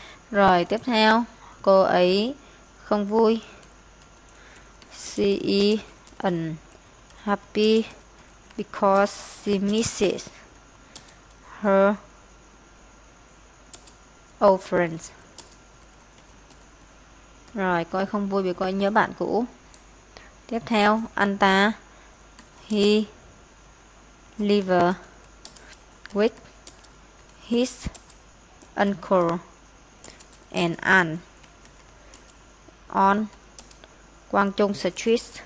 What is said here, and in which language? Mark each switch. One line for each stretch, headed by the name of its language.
Vietnamese: Rồi tiếp theo, cô ấy không vui.
English: She is unhappy because she misses her old friends.
Vietnamese: Rồi, cô ấy không vui vì cô ấy nhớ bạn cũ. Tiếp theo, anh ta
English: he lives with his uncle and aunt on Quang Trung Street.